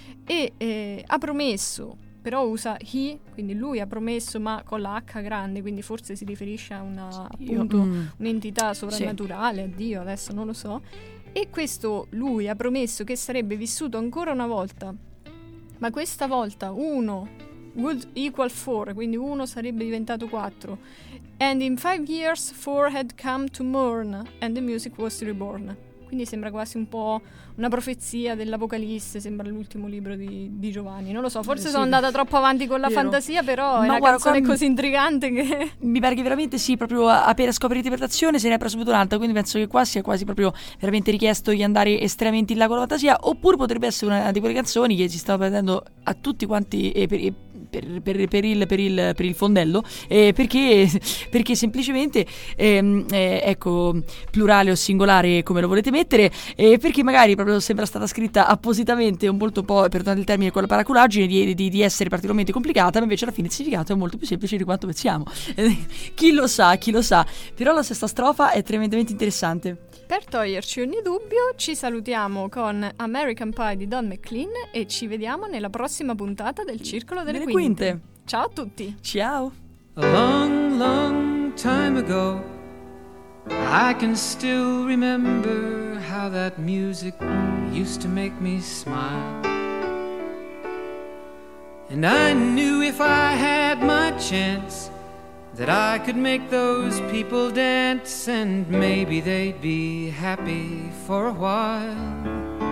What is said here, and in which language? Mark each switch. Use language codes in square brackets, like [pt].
[it] E ha promesso, però usa he, quindi lui ha promesso, ma con la H grande, quindi forse si riferisce a una, appunto, un'entità sovrannaturale, sì, a Dio, adesso non lo so. E questo lui ha promesso che sarebbe vissuto ancora una volta, ma questa volta uno [en] would equal four, [it] quindi uno sarebbe diventato quattro. [en] And in 5 years four had come to mourn and the music was reborn. [it] Quindi sembra quasi un po' una profezia dell'Apocalisse, sembra l'ultimo libro di Giovanni. Non lo so, forse sono andata troppo avanti con la fantasia, però la canzone è così intrigante che... Mi pare che veramente sì, proprio appena scopri l'interpretazione se ne apre subito un'altra, quindi penso che qua sia quasi proprio veramente richiesto di andare estremamente in là con la fantasia, oppure potrebbe essere una di quelle canzoni che si stava prendendo a tutti quanti... per il fondello, perché semplicemente ecco, plurale o singolare, come lo volete mettere, perché magari proprio sembra stata scritta appositamente un molto po', perdonate il termine, quella paraculaggine di essere particolarmente complicata, ma invece alla fine il significato è molto più semplice di quanto pensiamo. chi lo sa, però la sesta strofa è tremendamente interessante. Per toglierci ogni dubbio, ci salutiamo con American Pie di Don McLean e ci vediamo nella prossima puntata del Circolo delle Quinte. Ciao a tutti! Ciao! [en] A long, long time ago, I can still remember how that music used to make me smile. And I knew if I had my chance that I could make those people dance, and maybe they'd be happy for a while.